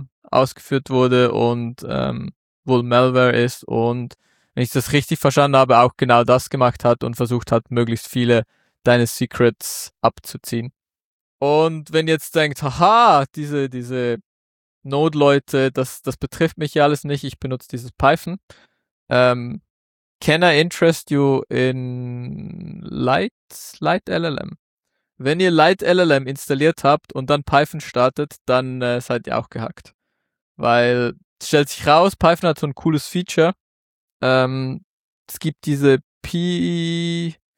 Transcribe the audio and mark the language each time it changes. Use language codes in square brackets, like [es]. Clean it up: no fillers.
[de] ausgeführt wurde und wohl Malware ist und wenn ich das richtig verstanden habe, auch genau das gemacht hat und versucht hat, möglichst viele deine Secrets abzuziehen. Und wenn jetzt denkt, haha, diese Node-Leute, das betrifft mich ja alles nicht, ich benutze dieses Python. [en] Can I interest you in Light LLM? [de] Wenn ihr Light LLM installiert habt und dann Python startet, dann seid ihr auch gehackt. Weil, stellt sich raus, Python hat so ein cooles Feature. Es gibt diese PTH-Files.